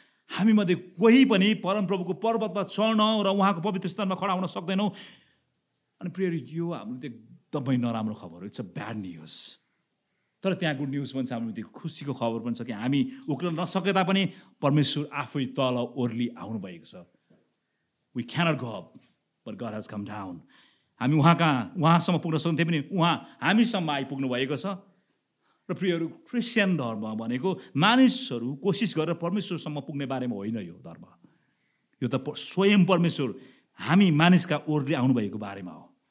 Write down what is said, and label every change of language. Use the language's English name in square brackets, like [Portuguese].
[Nepali] हामीमध्ये कोही पनि परमप्रभुको पर्वतमा चढ्न र उहाँको पवित्र स्थानमा खडा हुन सक्दैनौँ। अनि प्रिय, यो हाम्रो एकदमै नराम्रो खबर हो, [English] It's a bad news. [Nepali] तर त्यहाँ गुड न्युज पनि छ, हाम्रो त्यो खुसीको खबर पनि छ कि हामी उक्लन नसके तापनि परमेश्वर आफै तल ओर्ली आउनुभएको छ। [English] We cannot go up, but God has come down. [Nepali] हामी उहाँका उहाँसम्म पुग्न सक्थ्यौँ पनि उहाँ हामीसम्म आइपुग्नु भएको छ। र प्रियहरू, क्रिस्चियन धर्म भनेको मानिसहरू कोसिस गरेर परमेश्वरसम्म पुग्ने बारेमा होइन, यो धर्म यो त स्वयं परमेश्वर हामी मानिसका ओर्ले आउनुभएको बारेमा हो।